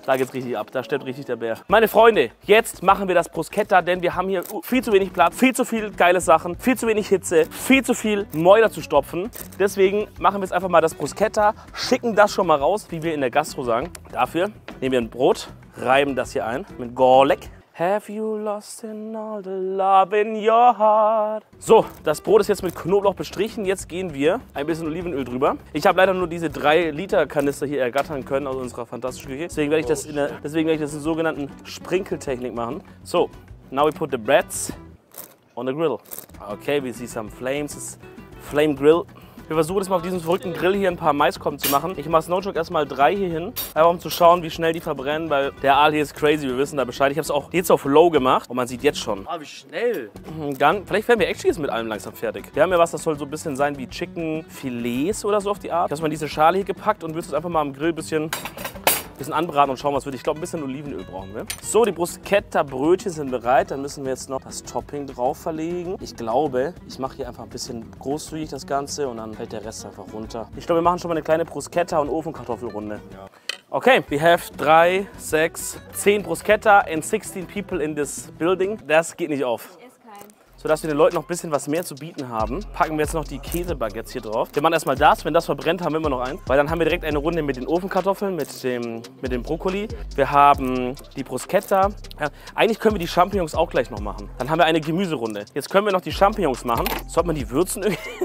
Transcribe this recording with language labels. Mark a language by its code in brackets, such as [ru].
[de] Da geht's richtig ab. Da steppt richtig der Bär. Meine Freunde, jetzt machen wir das Bruschetta, denn wir haben hier viel zu wenig Platz, viel zu viele geile Sachen, viel zu wenig Hitze, viel zu viel Mäuler zu stopfen. Deswegen machen wir jetzt einfach mal das Bruschetta, schicken das schon mal raus, wie wir in der Gastro sagen. Dafür nehmen wir ein Brot, reiben das hier ein mit Garlic. [en] Have you lost in all the love in your heart? [de] So, das Brot ist jetzt mit Knoblauch bestrichen. Jetzt gehen wir ein bisschen Olivenöl drüber. Ich habe leider nur diese 3 Liter Kanister hier ergattern können aus unserer fantastischen Küche. Deswegen werde ich das in sogenannten Sprinkeltechnik machen. [en] So, now we put the breads on the grill. Okay, we see some flames. It's flame grill. [de] Wir versuchen jetzt mal auf diesem verrückten Grill hier ein paar Maiskolben zu machen. Ich mache Snowjoke erstmal 3 hier hin. Einfach um zu schauen, wie schnell die verbrennen, weil der Aal hier ist crazy, wir wissen da Bescheid. Ich habe es auch jetzt auf Low gemacht und man sieht jetzt schon. Ah, wie schnell. Dann, vielleicht werden wir actually jetzt mit allem langsam fertig. Wir haben ja was, das soll so ein bisschen sein wie Chicken Filets oder so auf die Art. Ich habe mal diese Schale hier gepackt und würde es einfach mal am Grill ein bisschen anbraten und schauen, was wird. Ich glaube, ein bisschen Olivenöl brauchen wir. So, die Bruschetta-Brötchen sind bereit. Dann müssen wir jetzt noch das Topping drauf verlegen. Ich glaube, ich mache hier einfach ein bisschen großzügig das Ganze und dann fällt der Rest einfach runter. Ich glaube, wir machen schon mal eine kleine Bruschetta- und Ofenkartoffelrunde. Ja. [en] Okay, we have 3, 6, 10 Bruschetta and 16 people in this building. [de] Das geht nicht auf. Sodass wir den Leuten noch ein bisschen was mehr zu bieten haben, packen wir jetzt noch die Käsebaguettes hier drauf. Wir machen erstmal das, wenn das verbrennt, haben wir immer noch eins. Weil dann haben wir direkt eine Runde mit den Ofenkartoffeln, mit dem Brokkoli. Wir haben die Bruschetta. Ja, eigentlich können wir die Champignons auch gleich noch machen. Dann haben wir eine Gemüserunde. Jetzt können wir noch die Champignons machen. Sollte man die würzen irgendwie?